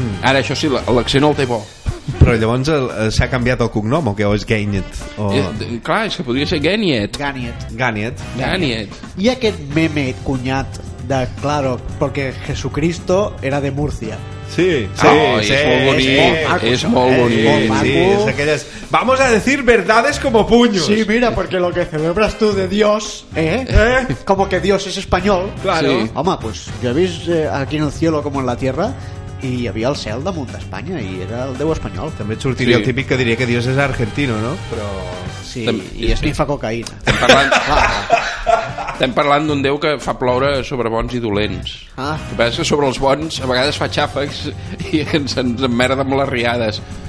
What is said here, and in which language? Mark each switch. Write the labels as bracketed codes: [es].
[ca] Ara això sí, l'accent el té bo. Però llavors s'ha canviat el cognom, o què, o és Ganyet? O... Clar, és que podria ser Ganyet. Ganyet. I aquest meme cunyat de, claro, perquè [es] Jesucristo era de Múrcia. [ca] Sí, és molt bonic. És aquelles... [es] Vamos a decir verdades como puños. [ca] Sí, mira, perquè [es] lo que celebras tú de Dios, como que Dios es español. Claro. [ca] Sí. Home, pues yo he vist [es] aquí en el cielo como en la tierra... [ca] I hi havia el cel damunt d'Espanya i era el déu espanyol. També et sortiria el típic que diria que Dios és argentino, no? Però... Sí, i es fa cocaïna. Estem parlant d'un déu que fa ploure sobre bons i dolents. Ah. El que passa és que sobre els bons a vegades fa xàfecs i ens emmerda amb les riades.